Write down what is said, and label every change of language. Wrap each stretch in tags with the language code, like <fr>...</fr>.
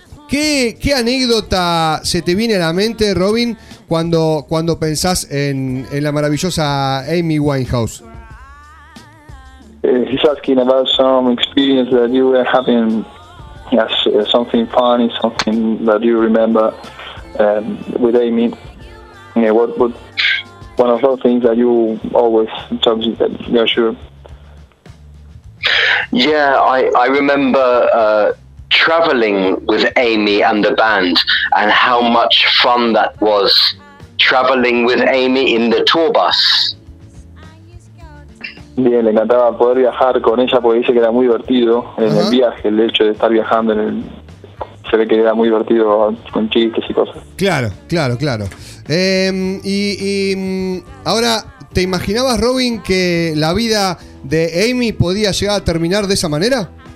<es>¿Qué anécdota se te viene a la mente, Robin, cuando pensás en la maravillosa Amy Winehouse?</es> <en>He's asking about some experience that you were having, yes, something funny, something that you remember with Amy. Yeah, what one of those things that you always talk to, that you're sure? Yeah, I remember traveling with Amy and the band, and how much fun that was, traveling with Amy in the tour bus.</en> <es>Bien, le encantaba poder viajar con ella porque dice que era muy divertido en el viaje, el hecho de estar viajando se ve que era muy divertido con chistes y cosas. Claro, claro, claro. Y ahora, ¿te imaginabas, Robin, que la vida de Amy podía llegar a terminar de esa manera?</es>